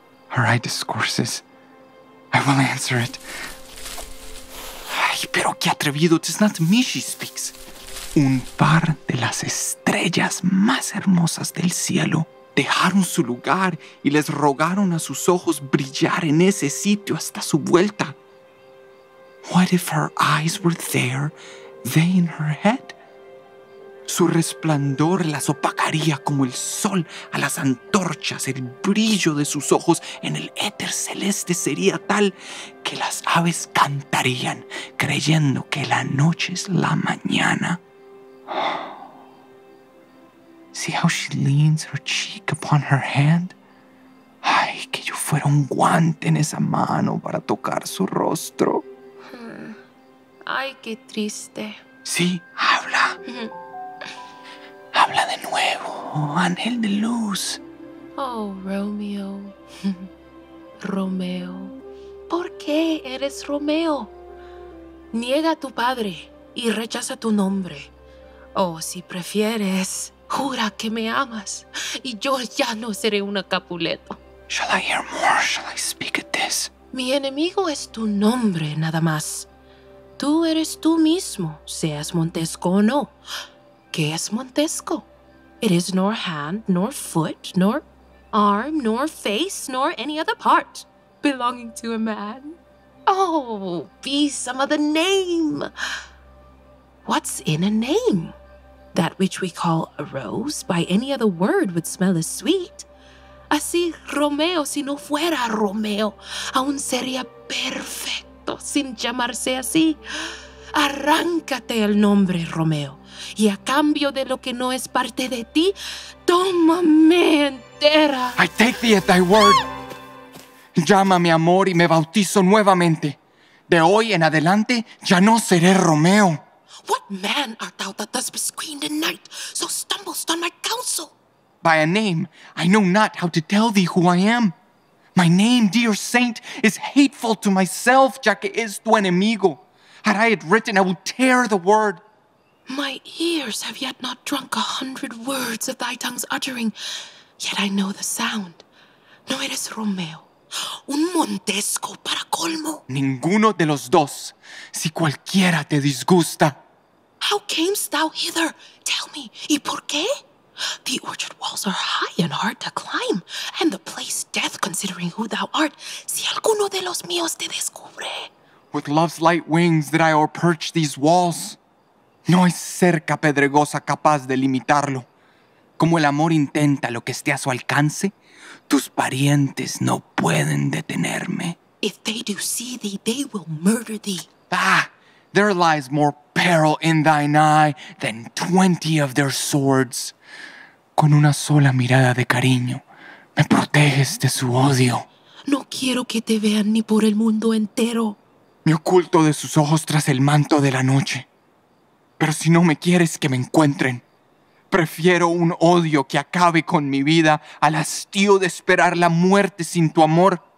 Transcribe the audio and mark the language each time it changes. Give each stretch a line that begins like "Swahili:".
English: Her eye discourses. I will answer it.
Spanish: Ay, pero qué atrevido.
English: It's not me she speaks.
Spanish: Un par de las estrellas más hermosas del cielo dejaron su lugar y les rogaron a sus ojos brillar en ese sitio hasta su vuelta.
English: What if her eyes were there, they in her head?
Spanish: Su resplandor las opacaría como el sol a las antorchas. El brillo de sus ojos en el éter celeste sería tal que las aves cantarían creyendo que la noche es la mañana.
English: See how she leans her cheek upon her hand?
Spanish: Ay, que yo fuera un guante en esa mano para tocar su rostro. Ay, qué triste. Sí, habla. Habla de nuevo. Oh, ángel de luz. Oh, Romeo. Romeo. ¿Por qué eres Romeo? Niega a tu padre y rechaza tu nombre. O si prefieres, jura que me amas y yo ya no seré una Capuleto.
English: Shall I hear more? Shall I speak at this?
Spanish: Mi enemigo es tu nombre, nada más. Tú eres tú mismo, seas Montesco o no. ¿Qué es Montesco?
English: It is nor hand, nor foot, nor arm, nor face, nor any other part belonging to a man. Oh, be some other name. What's in a name? That which we call a rose by any other word would smell as sweet.
Spanish: Así, Romeo, si no fuera Romeo, aún sería perfecto sin llamarse así. Arráncate el nombre, Romeo, y a cambio de lo que no es parte de ti, tómame entera.
English: I take thee at thy word.
Spanish: Llámame amor y me bautizo nuevamente. De hoy en adelante, ya no seré Romeo.
English: What man art thou that thus besqueened in night, so stumblest on my counsel? By a name, I know not how to tell thee who I am. My name, dear saint, is hateful to myself,
Spanish: ya que es tu enemigo.
English: Had I it written, I would tear the word. My ears have yet not drunk 100 words of thy tongue's uttering, yet I know the sound.
Spanish: No eres Romeo, un Montesco para colmo. Ninguno de los dos, si cualquiera te disgusta.
English: How camest thou hither? Tell me,
Spanish: y por qué?
English: The orchard walls are high and hard to climb, and the place death, considering who thou art,
Spanish: si alguno de los míos te descubre.
English: With love's light wings did I o'erperch these walls.
Spanish: No hay cerca pedregosa capaz de limitarlo. Como el amor intenta lo que esté a su alcance, tus parientes no pueden detenerme.
English: If they do see thee, they will murder thee. Ah, there lies more peril in thine eye than 20 of their swords.
Spanish: Con una sola mirada de cariño, me proteges de su odio. No quiero que te vean ni por el mundo entero. Me oculto de sus ojos tras el manto de la noche. Pero si no me quieres que me encuentren, prefiero un odio que acabe con mi vida al hastío de esperar la muerte sin tu amor.